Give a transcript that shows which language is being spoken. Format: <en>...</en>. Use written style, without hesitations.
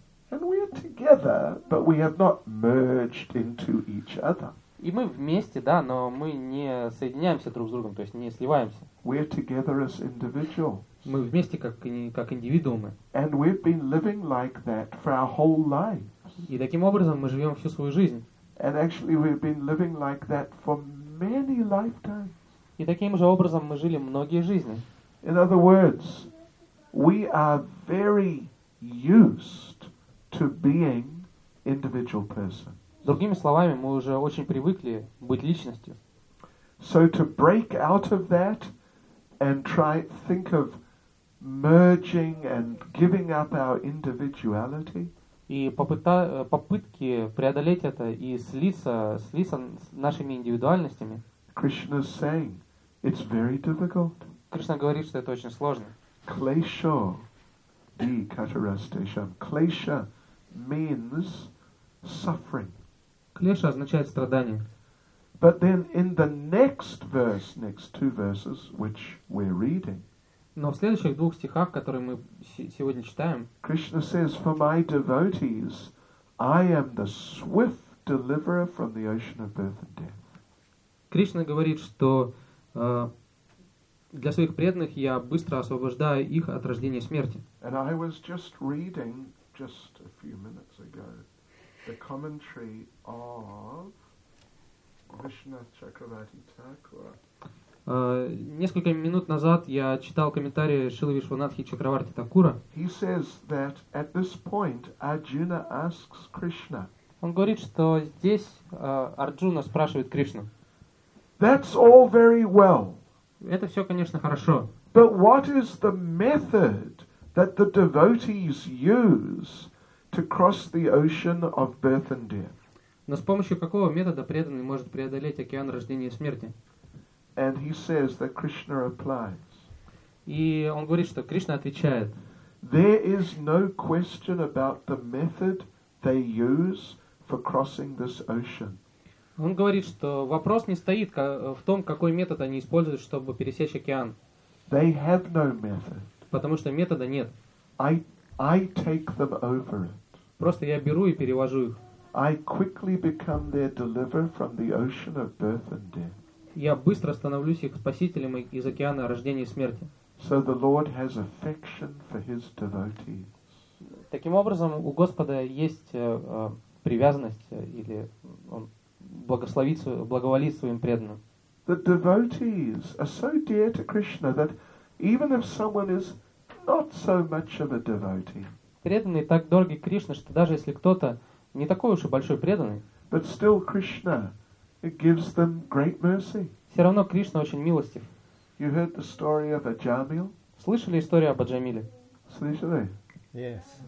<en>And we are together, but we have not merged into each other.</en> <ru>И мы вместе, да, но мы не соединяемся друг с другом, то есть не сливаемся.</ru> <en>We are together as individuals.</en> <ru>Мы вместе как индивидуумы.</ru> <en>And we've been living like that for our whole lives.</en> <ru>И таким образом мы живем всю свою жизнь.</ru> <en>And actually we've been living like that for many lifetimes.</en> <ru>И таким же образом мы жили многие жизни.</ru> <en>In other words, we are very used to being individual person.</en> <ru>Другими словами, мы уже очень привыкли быть личностью.</ru> <en>So to break out of that and try think of merging and giving up our individuality.</en> <ru>И попытки преодолеть это и слиться нашими индивидуальностями.</ru> <en>Krishna is saying it's very difficult.</en> <ru>Кришна говорит, что это очень сложно.</ru> <sa>Klesha di katarastesham.</sa> <en>Klesha means suffering.</en> <ru>Клеша означает страдание.</ru> <en>But then in the next verse, next two verses, which we're reading.</en> <ru>Но в следующих двух стихах, которые мы сегодня читаем,</ru> <en>Krishna says, for my devotees, I am the swift deliverer from the ocean of birth and death.</en> <ru>Кришна говорит, что для своих преданных я быстро освобождаю их от рождения и смерти.</ru> <en>And I was just reading just a few minutes ago the commentary of Vishnu Chakravarti Thakur.</en> <ru>Несколько минут назад я читал комментарии Шрилы Вишванатхи Чакраварти Такура.</ru> <en>He says that at this point Arjuna asks Krishna.</en> <ru>Он говорит, что здесь Арджуна спрашивает Кришну.</ru> <en>That's all very well.</en> <ru>Это все, конечно, хорошо.</ru> <en>But what is the method that the devotees use to cross the ocean of birth and death?</en> <ru>Но с помощью какого метода преданный может преодолеть океан рождения и смерти?</ru> <en>And he says that Krishna replies.</en> <ru>И он говорит, что Кришна отвечает.</ru> <en>There is no question about the method they use for crossing this ocean.</en> <ru>Он говорит, что вопрос не стоит в том, какой метод они используют, чтобы пересечь океан.</ru> <en>They have no method.</en> <ru>Потому что метода нет.</ru> <en>I take them over it.</en> <ru>Просто я беру и перевожу их.</ru> <en>I quickly become their deliverer from the ocean of birth and death.</en> <ru>Я быстро становлюсь их спасителем из океана рождения и смерти.</ru> <en>So the Lord has affection for his devotees.</en> <ru>Таким образом, у Господа есть привязанность или он благоволит своим преданным.</ru> <en>The devotees are so dear to Krishna that even if someone is not so much of a devotee.</en> <ru>Преданные так дороги Кришне, что даже если кто-то не такой уж и большой преданный.</ru> <en>But still Krishna gives them great mercy.</en> <ru>Все равно Кришна очень милостив.</ru> <en>You heard the story of Ajamil?</en> <ru>Слышали историю об Аджамиле? Слышали?</ru> <en>Yes.</en>